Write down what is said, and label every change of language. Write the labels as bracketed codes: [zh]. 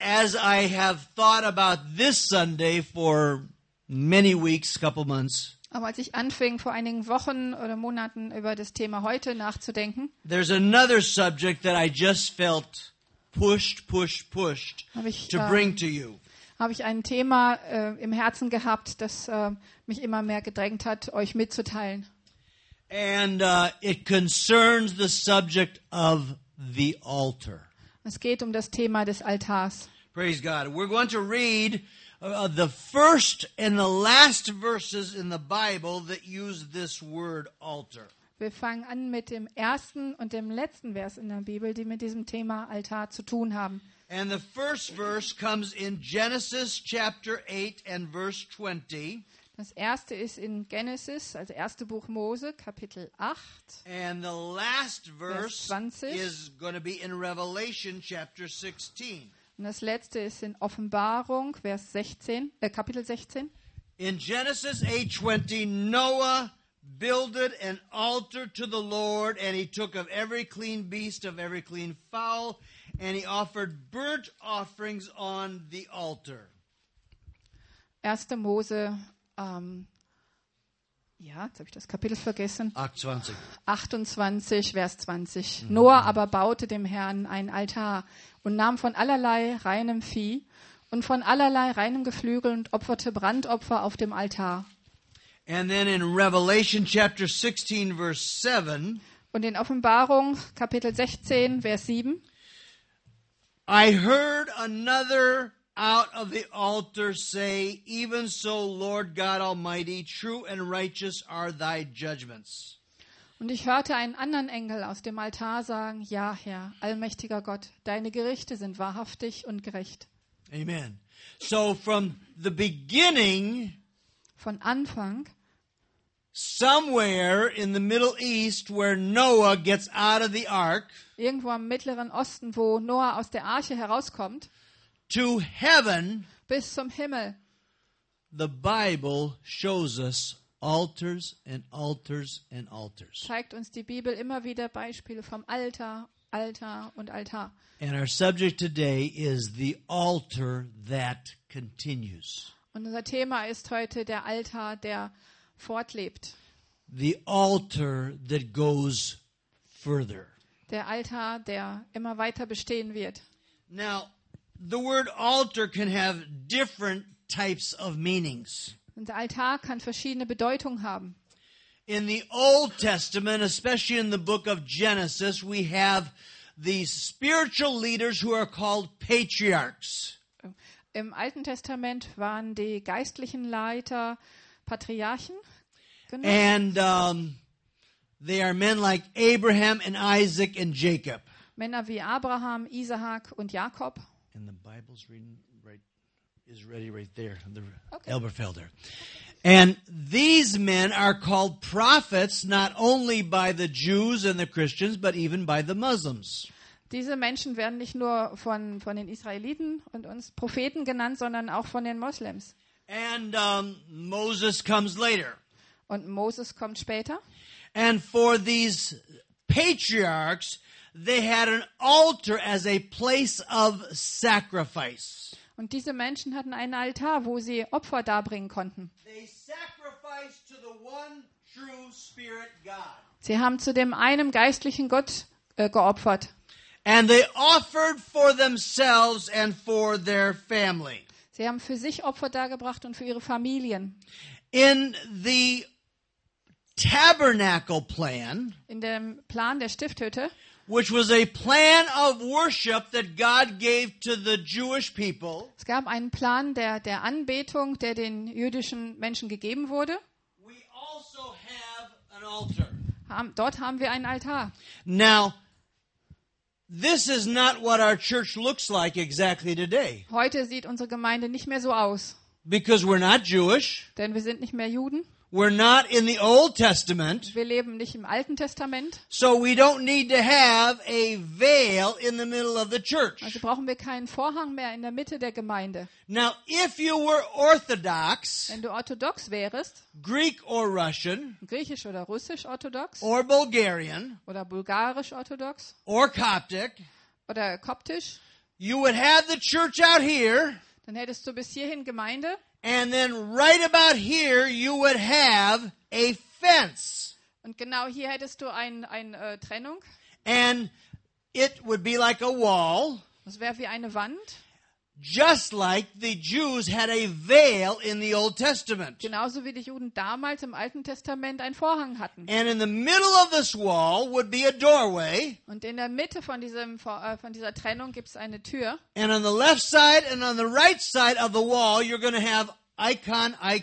[en] as I have thought about this Sunday for many weeks, couple months, [de] aber als ich anfing, vor einigen Wochen oder Monaten über das Thema heute nachzudenken, [en] there's another subject that I just felt pushed to bring to you. [de] Habe ich ein Thema im Herzen gehabt, das mich immer mehr gedrängt hat, euch mitzuteilen. [en] And it concerns the subject of the altar. [de] Es geht um das Thema des Altars. [en] Praise God. We're going to read the first and the last verses in the Bible that use this word altar. [de] Wir fangen an mit dem ersten und dem letzten Vers in der Bibel, die mit diesem Thema Altar zu tun haben. [en] And the first verse comes in Genesis chapter 8 and verse 20. [de] Das erste ist in Genesis, also erste Buch Mose, Kapitel 8. [en] And the last verse is going to be in Revelation chapter 16. [de] Und das letzte ist in Offenbarung, Vers 16, Kapitel 16. [en] In Genesis 8:20, Noah builded an altar to the Lord, and he took of every clean beast, of every clean fowl, and he offered burnt offerings on the altar. [de] 1. Mose, ja, jetzt habe ich das Kapitel vergessen. 28, Vers 20. Mhm. Noah aber baute dem Herrn einen Altar und nahm von allerlei reinem Vieh und von allerlei reinem Geflügel und opferte Brandopfer auf dem Altar. [en] And then in Revelation chapter 16, verse 7, [de] und in Offenbarung, Kapitel 16, Vers 7, [en] I heard another out of the altar say, even so, Lord God Almighty, true and righteous are thy judgments. [de] Und ich hörte einen anderen Engel aus dem Altar sagen, ja, Herr, allmächtiger Gott, deine Gerichte sind wahrhaftig und gerecht. [en] Amen. So from the beginning, [de] von Anfang, [en] somewhere in the Middle East where Noah gets out of the ark, [de] irgendwo im Mittleren Osten, wo Noah aus der Arche herauskommt, [en] to heaven, [de] bis zum Himmel, [en] the Bible shows us altars and altars and altars. [de] Zeigt uns die Bibel immer wieder Beispiele vom Altar, Altar und Altar. [en] And our subject today is the altar that continues. [de] Und unser Thema ist heute der Altar, der fortlebt. [en] The altar that goes further. [de] Der Altar, der immer weiter bestehen wird. [en] Now, the word altar can have different types of meanings. [de] Und der Altar kann verschiedene Bedeutungen haben. [en] In the Old Testament, especially in the book of Genesis, we have these spiritual leaders who are called patriarchs. [de] Im Alten Testament waren die geistlichen Leiter Patriarchen. Genau. [en] And they are men like Abraham and Isaac and Jacob. [de] Männer wie Abraham, Isaac und Jakob. [en] And the Bible's reading right is ready right there, the okay. Elberfelder. And these men are called prophets not only by the Jews and the Christians, but even by the Muslims. [de] Diese Menschen werden nicht nur von den Israeliten und uns Propheten genannt, sondern auch von den Moslems. [en] And Moses comes later. [de] Und Moses kommt später. [en] And for these patriarchs, they had an altar as a place of sacrifice. [de] Und diese Menschen hatten einen Altar, wo sie Opfer darbringen konnten. [en] They sacrificed to the one true spirit God. [de] Sie haben zu dem einen geistlichen Gott geopfert. [en] And they offered for themselves and for their family. [de] Sie haben für sich Opfer dargebracht und für ihre Familien. [en] In the tabernacle plan, [de] in dem Plan der Stifthütte, [en] which was a plan of worship that God gave to the Jewish people, [de] es gab einen Plan der Anbetung, der den jüdischen Menschen gegeben wurde. [en] We also have an altar. [de] Dort haben wir einen Altar. [en] Now, this is not what our church looks like exactly today. [de] Heute sieht unsere Gemeinde nicht mehr so aus. [en] Because we're not Jewish. [de] Denn wir sind nicht mehr Juden. [en] We're not in the Old Testament. [de] Wir leben nicht im Alten Testament. [en] So we don't need to have a veil in the middle of the church. [de] Also brauchen wir keinen Vorhang mehr in der Mitte der Gemeinde. [en] Now, if you were Orthodox, [de] wenn du orthodox wärest, [en] Greek or Russian, [de] griechisch oder russisch orthodox, [en] or Bulgarian, [de] oder bulgarisch orthodox, [en] or Coptic, [de] oder koptisch, [en] you would have the church out here. [de] Dann hättest du bis hierhin Gemeinde. [en] And then right about here you would have a fence. [de] Und genau hier hättest du eine Trennung. [en] And it would be like a wall. [de] Es wäre wie eine Wand. [en] Just like the Jews had a veil in the Old Testament. [de] Genauso wie die Juden damals im Alten Testament einen Vorhang hatten. [en] And in the middle of this wall would be a doorway. [de] Und in der Mitte von dieser Trennung gibt's eine Tür. [en] And on the left side and on the right side of the wall you're going to have icon.